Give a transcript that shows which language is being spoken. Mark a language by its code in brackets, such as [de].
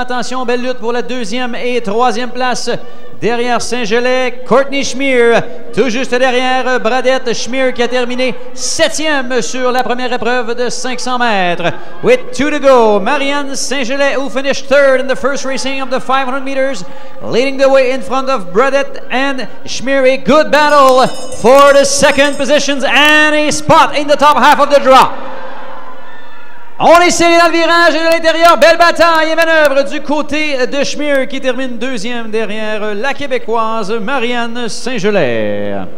[fr] Attention, belle lutte pour la deuxième et troisième place. Derrière Saint-Gelais, Courtney Schmier. Tout juste derrière Bradette, Schmier qui a terminé septième sur la première épreuve de 500 mètres. [en] With two to go, Marianne Saint-Gelais, who finished third in the first racing of the 500 meters, leading the way in front of Bradette and Schmier. A good battle for the second positions and a spot in the top half of the draw. [fr] On est serré dans le virage et de l'intérieur. Belle bataille et manœuvre du côté de Schmier qui termine deuxième derrière la Québécoise Marianne Saint-Gelais.